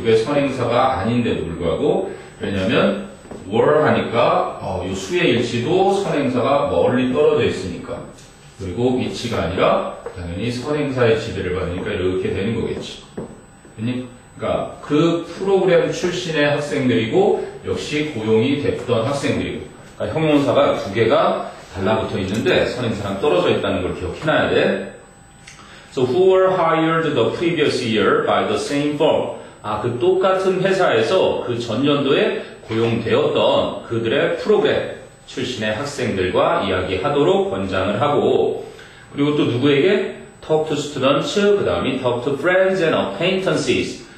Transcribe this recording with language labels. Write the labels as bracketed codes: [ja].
[ko] 이게 선행사가 아닌데도 불구하고, 왜냐면 were 하니까 요 수의 일치도 선행사가 멀리 떨어져 있으니까, 그리고 위치가 아니라 당연히 선행사의 지배를 받으니까 이렇게 되는 거겠지. 그러니까 그 프로그램 출신의 학생들이고 역시 고용이 됐던 학생들이고, 그러니까 형용사가 두 개가 달라붙어 있는데 선행사랑 떨어져 있다는 걸 기억해놔야 돼. [en] So who were hired the previous year by the same firm? [ko] 아, 그 똑같은 회사에서 그 전년도에 고용되었던 그들의 프로그램 출신의 학생들과 이야기하도록 권장을 하고, 그리고 또 누구에게? [en] Talk to students, [ko] 그 다음이 [en] talk to friends and acquaintances.